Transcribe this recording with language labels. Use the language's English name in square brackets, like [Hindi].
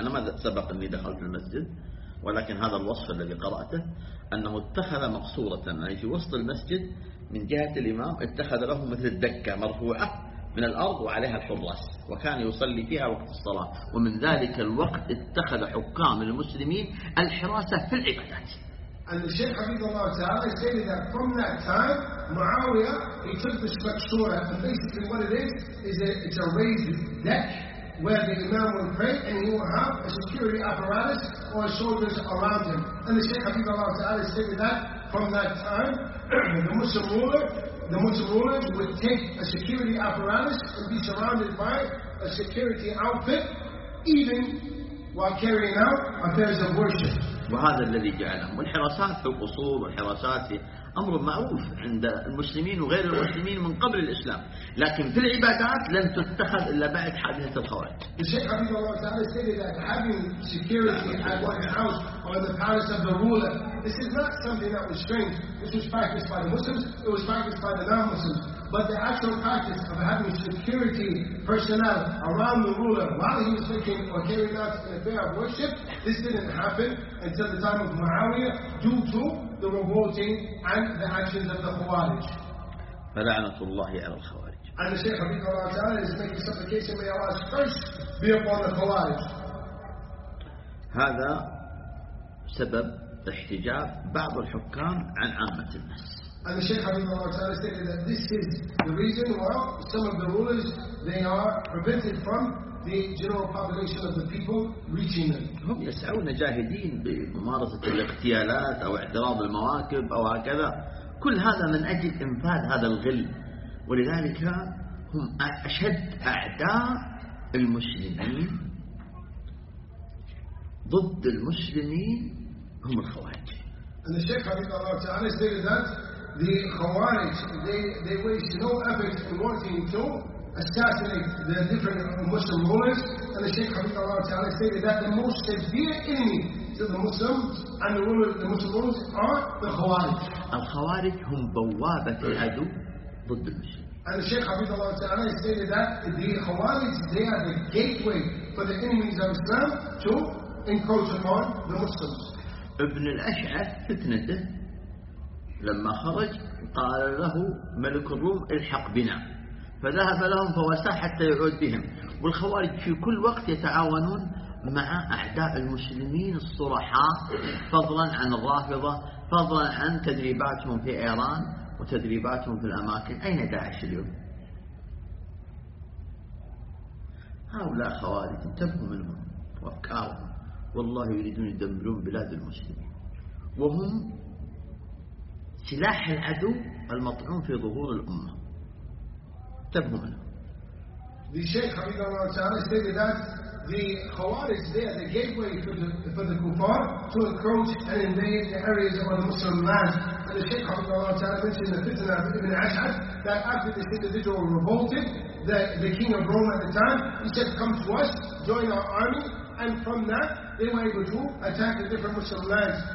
[Arabic] أنا ما سبق أني دخلت المسجد, ولكن هذا الوصف الذي قرأته أنه اتخذ مقصورة, يعني في وسط المسجد من جهة الإمام اتخذ له مثل الدكة مرفوعة من الأرض وعليها الحراس, وكان يصلي فيها وقت الصلاة, ومن ذلك الوقت اتخذ حكام المسلمين الحراسة في العبادات. [English] And the Shaykh Hafizullah Ta'ala stated that from that time, Muawiyah, he took this maqsura. And basically what it is it's a raised deck where the Imam will pray and he will have a security apparatus or soldiers around him. And the Shaykh Hafizullah Ta'ala stated that from that time, the Muslim ruler would take a security apparatus and be surrounded by a security outfit even while carrying out affairs of worship. [Arabic] وهذا الذي جعلهم والحراسات في القصور والحراسات أمر معروف عند المسلمين وغير المسلمين من قبل الإسلام لكن في العبادات لم تتخذ إلا بعد حادثة الخوارج. الشيخ حبيب الله تعالى [English] said that having security at one house or the palace of the ruler, this is not something that was strange. This was practiced by the Muslims, it was practiced by the non-Muslims. But the actual practice of having security personnel around the ruler while he was thinking or carrying out an affair of worship, this didn't happen until the time of Muawiyah due to the revolting and the actions of the Khawarij. [Arabic] فلعنت الله على الخوارج. [English] And the Shaykh Habib Allah Ta'ala is making supplication, may Allah's curse be upon the Khawarij. [Arabic] هذا سبب احتجاب بعض الحكام عن عامة الناس. [English] And the Shaykh Habib Allah Ta'ala stated that this is the reason why some of the rulers, they are prevented from the general population of the people reaching them. [Arabic] هم يسعون جاهدين بممارسة الاغتيالات أو اعتراض المواكب أو هكذا. كل هذا من أجل إنفاذ هذا الغل ولذلك هم أشد أعداء المسلمين ضد المسلمين هم الخوارج. [English] And the Shaykh Habib Allah Ta'ala stated that the Khawarij, they waste no effort in wanting to assassinate the different Muslim rulers. And the Shaykh Habib Allah Ta'ala stated that the most severe enemy to the Muslims and the rulers, the Muslim rulers, are the Khawarij. [Arabic] الخوارج هم بوابة العدو ضد المسلمين. [English] And the Shaykh Habib Allah Ta'ala stated that the Khawarij, they are the gateway for the enemies of Islam to encroach upon the Muslims. [Arabic] ابن الأشعث فتنته لما خرج قال له ملك الروم الحق بنا فذهب لهم فوساه حتى يعود بهم والخوارج في كل وقت يتعاونون مع أعداء المسلمين الصرحاء فضلا عن الرافضة فضلا عن تدريباتهم في إيران وتدريباتهم في الأماكن. أين داعش اليوم؟ هؤلاء خوارج انتبهوا منهم وأفكارهم والله يريدون يدمرون بلاد المسلمين وهم سلاح العدو المطعون في ظهور الأمة. تبهوا منه. [English] The Shaykh Habib Allah Ta'ala stated that the Khawarij, they are the gateway for the Kufar to encroach and invade the areas of the Muslim land. And the Shaykh Habib Allah Ta'ala mentioned the fitna of Ibn Ash'ad that after this individual revolted, the king of Rome at the time, he said, come to us, join our army, and from that, they were able to attack the different Muslim lands.